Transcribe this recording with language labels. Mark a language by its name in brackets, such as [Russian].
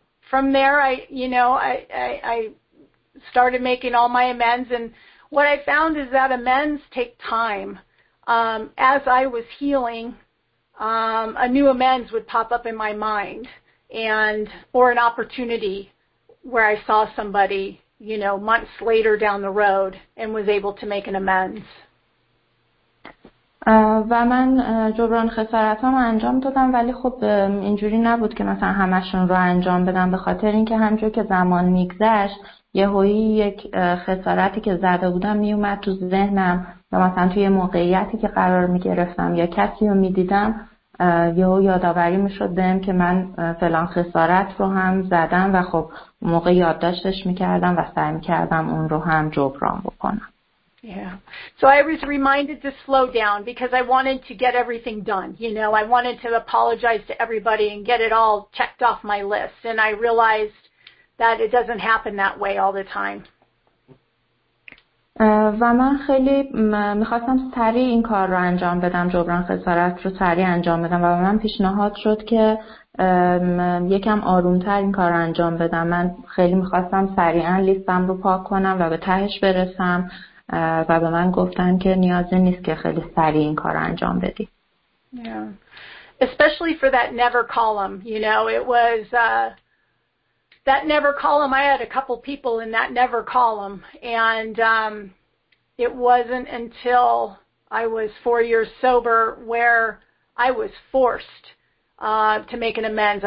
[English] From there, I started making all my amends, and what I found is that amends take time. As I was healing, a new amends would pop up in my mind, and or an opportunity where I saw somebody, you know, months later down the road, and was able to make an amends. [Persian] و من جبران خسارت هم انجام دادم، ولی خب اینجوری نبود که مثلا همشون رو انجام بدم، به خاطر اینکه همجور که زمان میگذشت یهویی یک خسارتی که زده بودم میومد تو ذهنم و مثلا توی موقعیتی که قرار میگرفتم یا کسی رو میدیدم یهو یاداوری میشد بهم که من فلان خسارت رو هم زدم و خب موقع یادداشتش میکردم و سعی میکردم اون رو هم جبران بکنم. [English] Yeah. So I was reminded to slow down because I wanted to get everything done. You know, I wanted to apologize to everybody and get it all checked off my list. And I realized that it doesn't happen that way all the time. [Persian] و من خیلی میخواستم سریع این کار رو انجام بدم، جبران خسارت رو سریع انجام بدم، و به من پیشنهاد شد که یکم آرومتر این کار رو انجام بدم. من خیلی میخواستم سریعا لیستم رو پاک کنم و به تهش برسم، و به من گفتن که نیازی نیست که خیلی سریع این کار انجام بدی. [English] Yeah. Especially for that never column, you know, it was that never column. I had a couple people in that never column, and it wasn't until I was 4 years sober where I was forced to make an amends.